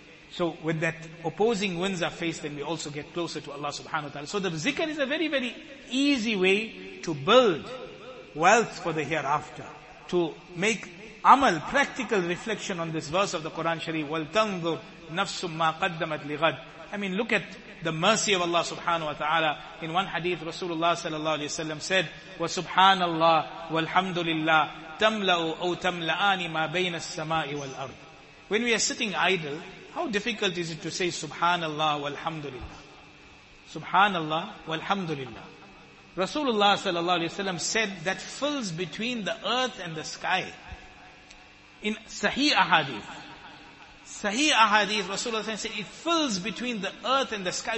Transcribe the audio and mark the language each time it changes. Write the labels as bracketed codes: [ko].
[en] So when that opposing winds are faced, then we also get closer to Allah subhanahu wa ta'ala. So the zikr is a very, very easy way to build wealth for the hereafter. To make amal, practical reflection on this verse of the Quran Sharif, [ar] وَلْتَنْظُرْ نَفْسٌ مَّا قَدَّمَتْ لِغَدٍ. [en] I mean, look at the mercy of Allah subhanahu wa ta'ala. In one hadith, Rasulullah sallallahu alayhi wa sallam said, [ar] وَسُبْحَانَ اللَّهِ وَالْحَمْدُ لِلَّهِ تَمْلَأُ أَوْ تَمْلَآنِ مَا بَيْنَ السَّمَاءِ وَالْأَرْضِ. [en] When we are sitting idle, how difficult is it to say Subhanallah walhamdulillah? Subhanallah walhamdulillah. Rasulullah sallallahu alayhi wa sallam said that fills between the earth and the sky. In Sahih Ahadith, Rasulullah sallallahu alayhi wa sallam said it fills between the earth and the sky.